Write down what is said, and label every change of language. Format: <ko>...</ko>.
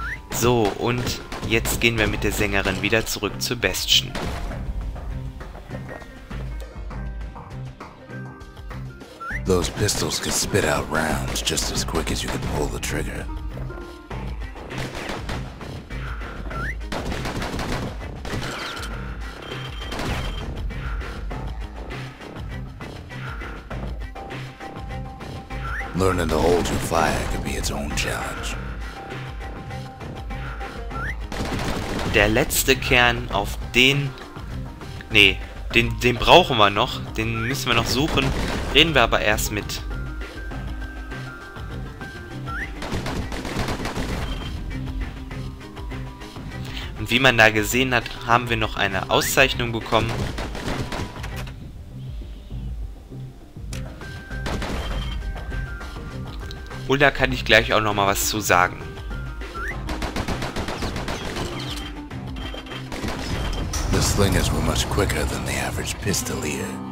<de>So, und jetzt gehen wir mit der Sängerin wieder zurück zu Bastion.</de> <en>Those pistols could spit out rounds just as quick as you could pull the trigger. Learning to hold your fire could be its own challenge.</en> <de>Der letzte Kern, auf den... Nee, den brauchen wir noch. Den müssen wir noch suchen. Reden wir aber erst mit... Und wie man da gesehen hat, haben wir noch eine Auszeichnung bekommen. Und da kann ich gleich auch nochmal was zu sagen.</de> <en>Slingers were much quicker than the average pistolier.</en>